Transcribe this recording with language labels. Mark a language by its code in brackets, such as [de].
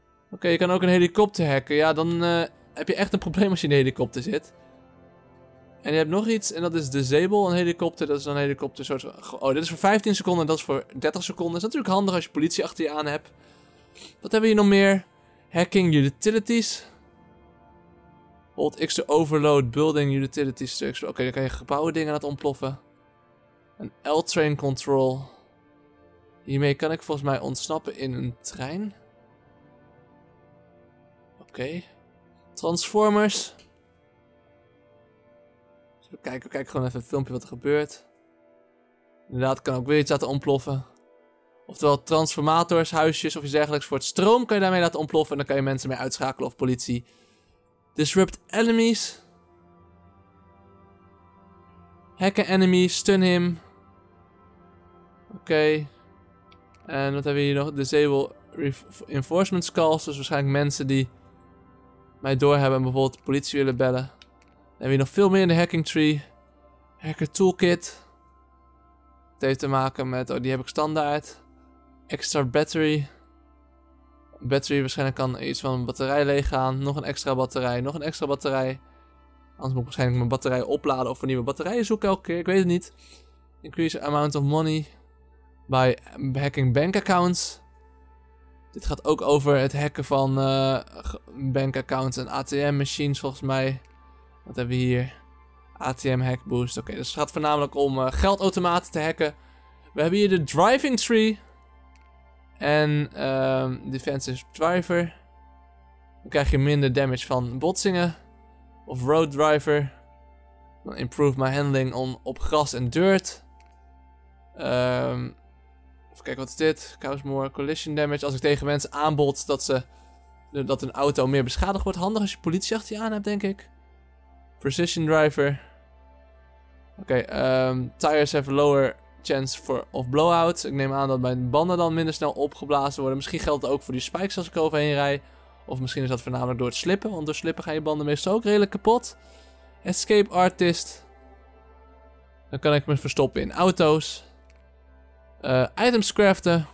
[nl] Oké, je kan ook een helikopter hacken. Ja, dan heb je echt een probleem als je in de helikopter zit. En je hebt nog iets, en dat is disable een helikopter. Dat is dan een helikopter soort van... Oh, dit is voor 15 seconden en dat is voor 30 seconden. Dat is natuurlijk handig als je politie achter je aan hebt. Wat hebben we hier nog meer? [en] Hacking utilities. Old X to Overload, Building Utility Structure. [nl] Oké, dan kan je gebouwen dingen laten ontploffen. Een L-train control. Hiermee kan ik volgens mij ontsnappen in een trein. Oké. Transformers. We kijken gewoon even het filmpje wat er gebeurt. Inderdaad, kan ook weer iets laten ontploffen. Oftewel transformators, huisjes of iets dergelijks. Voor het stroom kan je daarmee laten ontploffen. En dan kan je mensen mee uitschakelen of politie. [en] Disrupt enemies. Hacken enemies, stun him. [nl] Oké. En wat hebben we hier nog? [en] Disable reinforcement calls. [nl] Dus waarschijnlijk mensen die mij doorhebben en bijvoorbeeld de politie willen bellen. Dan hebben we nog veel meer in de hacking tree. Hacker toolkit. Het heeft te maken met... Oh, die heb ik standaard. Extra battery. Battery waarschijnlijk kan iets van een batterij leeg gaan. Nog een extra batterij. Nog een extra batterij. Anders moet ik waarschijnlijk mijn batterij opladen of een nieuwe batterij zoeken elke keer. Ik weet het niet. [en] Increase amount of money. By hacking bank accounts. [nl] Dit gaat ook over het hacken van bank accounts en ATM machines volgens mij. Wat hebben we hier? [en] ATM hack boost. [nl] Oké, dus het gaat voornamelijk om geldautomaten te hacken. We hebben hier de driving tree. En defensive driver. Dan krijg je minder damage van botsingen. Of road driver. Dan [en] improve my handling [nl] op gras en dirt. Even kijken, wat is dit? [en] Cause more collision damage. [nl] Als ik tegen mensen aanbod dat een auto meer beschadigd wordt. Handig als je politie achter je aan hebt, denk ik. [en] Precision driver. Oké, tires have lower chance of blowouts. [nl] Ik neem aan dat mijn banden dan minder snel opgeblazen worden. Misschien geldt het ook voor die spikes als ik overheen rijd. Of misschien is dat voornamelijk door het slippen. Want door slippen gaan je banden meestal ook redelijk kapot. [en] Escape artist. [nl] Dan kan ik me verstoppen in auto's. Items craften.